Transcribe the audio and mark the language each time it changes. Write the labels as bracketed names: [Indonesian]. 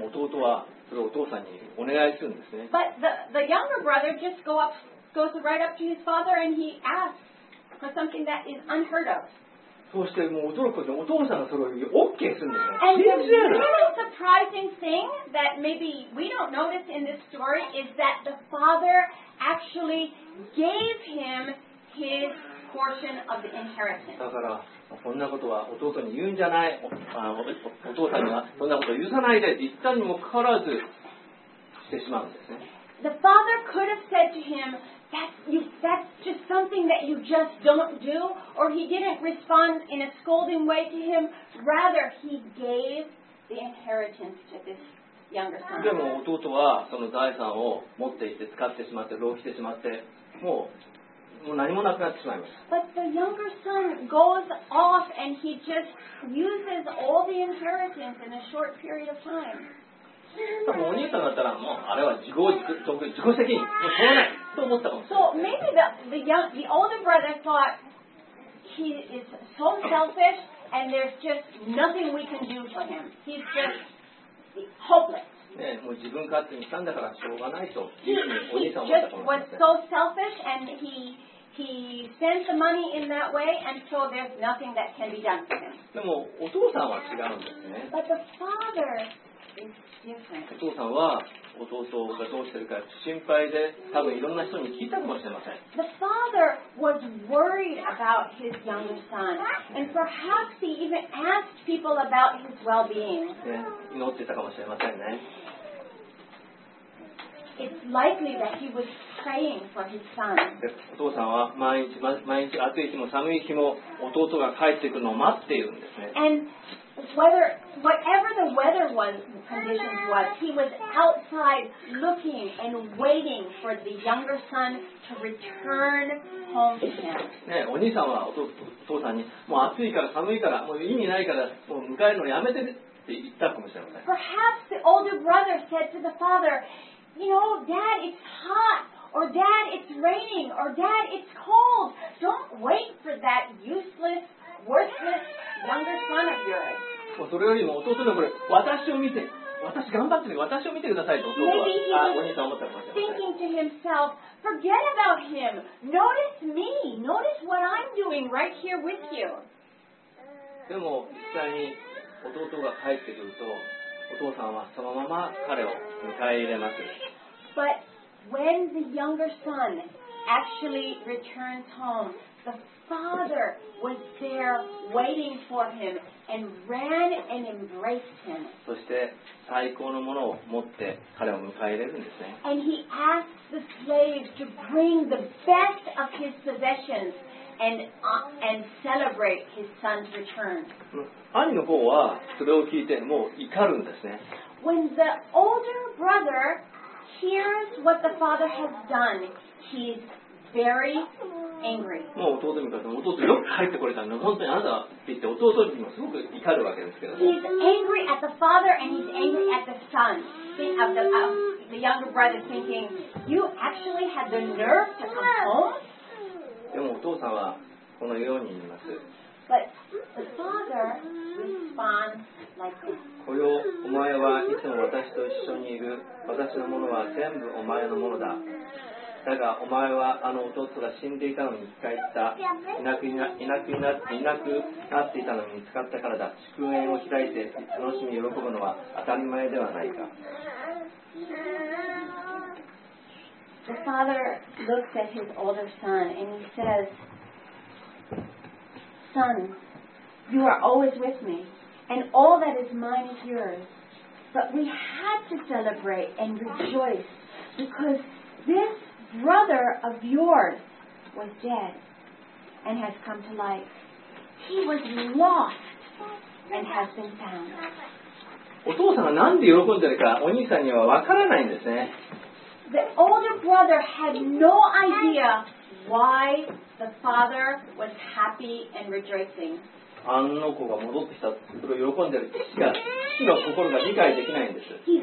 [English] dead. [Japanese] でも弟はそれをお父さんにお願いするんですね。 [English] But the younger brother just goes right up to his father and he asks for something that is unheard of. [Japanese] そしてもう驚くことにお父さんがそれを OK するんですよ。 [English] And the really surprising thing that maybe we don't notice in this story is that the father actually gave him his. [Japanese] だからこんなことは弟に言うんじゃない お父さんにはそんなこと許さないで言ったにもかかわらずしてしまうんですね。 [English] The father could have said to him, that's just something that you just don't do, or he didn't respond in a scolding way to him. Rather, he gave the inheritance to this younger son. [Japanese] でも弟はその財産を持っていて使ってしまって浪費してしまってもう。もう何もなくなってしまいます。 [English] But the younger son goes off and he just uses all the inheritance in a short period of time. [Japanese] お兄さんだったらもうあれは自己責任、もうしょうがないと思ったかもしれない。 [English] So maybe the older brother thought he is so selfish and there's just nothing we can do for him. He's just hopeless. [Japanese] ね、もう自分勝手にしたんだからしょうがないとお兄さん思ったと思います。 [English] He just was so selfish and he sent the money in that way and so there's nothing that can be done for him. [Japanese] でもお父さんは違うんですね。 [English] But the father is different. [Japanese] お父さんは弟がどうしてるか心配で多分いろんな人に聞いたかもしれません。 [English] The father was worried about his young son and perhaps he even asked people about his well-being. [Japanese] 祈ってたかもしれませんね。 [English] It's likely that he was praying for his son. [Japanese] お父さんは毎日暑い日も寒い日も弟が帰ってくるのを待っているんですね。 [English] And whatever the weather was, conditions was, he was outside looking and waiting for the younger son to return home to him. [Japanese] ね、お兄さんはお父さんにもう暑いから寒いからもう意味ないからもう迎えるのやめてって言ったかもしれません。 [English] Perhaps the older brother said to the father,You know, Dad, it's hot, or Dad, it's raining, or Dad, it's cold. Don't wait for that useless, worthless younger son of yours. [Japanese] それよりも弟のこれ、私を見て、私頑張ってる、私を見てくださいと弟は、お兄さん思ったかもしれません。 [English] Thinking to himself, forget about him. Notice me. Notice what I'm doing right here with you. [Japanese] でも実際に弟が帰ってくると、お父さんはそのまま彼を迎え入れます。 [English] But when the younger son actually returns home, the father was there waiting for him and ran and embraced him. [Japanese] そして最高のものを持って彼を迎え入れるんですね。 [English] And he asked the slaves to bring the best of his possessions and celebrate his son's return. [Japanese] 兄の方はそれを聞いてもう怒るんですね。 [English] When the older brother hears what the father has done, he's very angry. [Japanese] もう弟に言ったら、弟よく帰ってこれたんで、本当にあなたって言って弟にもすごく怒るわけですけど。 [English] He's angry at the father and he's angry at the son. The younger brother thinking, you actually had the nerve to come home? [Japanese] でもお父さんはこのように言います。 [English] But the father responds like this. [Japanese] 今夜お前はいつも私と一緒にいる。私のものは全部お前のものだ。だがお前はあの弟が死んでいたのに生き返った。いなくなっていたのに見つかったからだ。祝宴を開いて楽しみ喜ぶのは当たり前ではないか。 [English] The father looks at his older son and he says, Son, you are always with me and all that is mine is yours. But we had to celebrate and rejoice because thisBrother of yours was dead and has come to life. He was lost and has been found. [Japanese] お父さんがなんで喜んでるかお兄さんにはわからないんですね。 [English] The older brother had no idea why the father was happy and rejoicing. [Japanese] あの子が戻ってきたところを喜んでる父の心が理解できないんです。